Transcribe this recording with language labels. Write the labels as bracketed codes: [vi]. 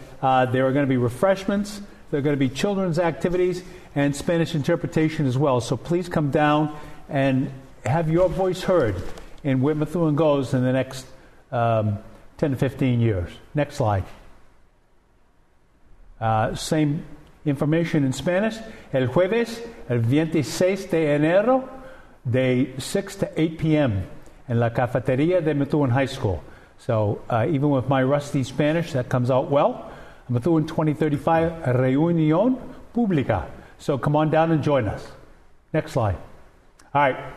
[en] There are going to be refreshments, there are going to be children's activities, and Spanish interpretation as well. So please come down and have your voice heard in where Methuen goes in the next 10 to 15 years. Next slide. Same information in Spanish. [es] El jueves, el 26 de enero, de 6 [en] to 8 p.m. [es] en la cafetería de Methuen High School. [en] So even with my rusty Spanish, that comes out well. [es] Methuen 2035, reunión pública. [en] So come on down and join us. Next slide. All right.